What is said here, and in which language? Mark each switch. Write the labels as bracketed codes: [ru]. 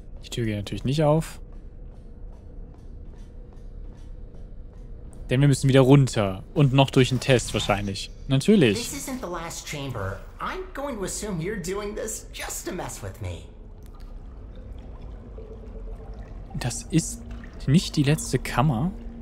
[de] Tür geht natürlich nicht auf. Denn wir müssen wieder runter. Und noch durch einen Test wahrscheinlich. Natürlich. [en] This isn't the last chamber. I'm going to assume you're doing this just to mess with me. [de] Das ist nicht die letzte Kammer.